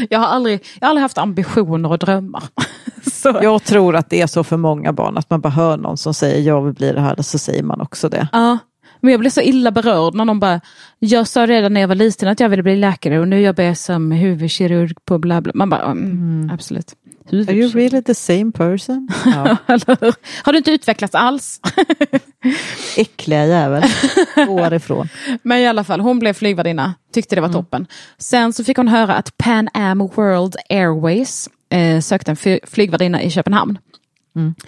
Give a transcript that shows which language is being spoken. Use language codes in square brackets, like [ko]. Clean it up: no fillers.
[sv] Jag har aldrig haft ambitioner och drömmar. Så. Jag tror att det är så för många barn att man bara hör någon som säger jag vill bli det här, så säger man också det. Ja, men jag blev så illa berörd när någon bara, jag sa redan när jag var liten att jag ville bli läkare och nu jobbar jag som huvudkirurg på bla bla. Man bara, absolut. [en] Are you really the same person? [sv] Ja. Har du inte utvecklats alls? Äckliga jävel. År ifrån. Men i alla fall, hon blev flygvärdinna. Tyckte det var toppen. Sen så fick hon höra att Pan Am World Airways sökte en flygvärdinna i Köpenhamn. Mm.